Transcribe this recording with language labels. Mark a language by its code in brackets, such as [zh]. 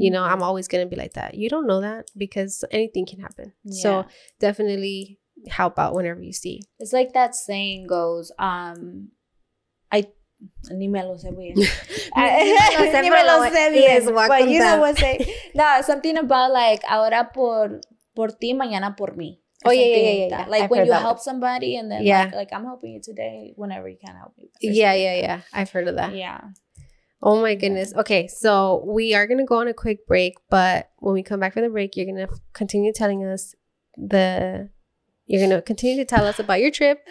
[en] You know, I'm always going to be like that. You don't know that, because anything can happen. Yeah. So definitely help out whenever you see. It's like that saying goes, I [es] ni me lo sé bien. Ni me lo sé bien. [en] But you know what I'm saying? No, something about like, [es] ahora por ti, mañana por mí. [en] Oh, yeah. Like, I've when you help one. Somebody and then, yeah. like, I'm helping you today whenever you can help me. Yeah. I've heard of that. Yeah. Oh, my goodness. Okay, so we are going to go on a quick break, but when we come back from the break, you're going to continue telling us you're going to continue to tell us about your trip.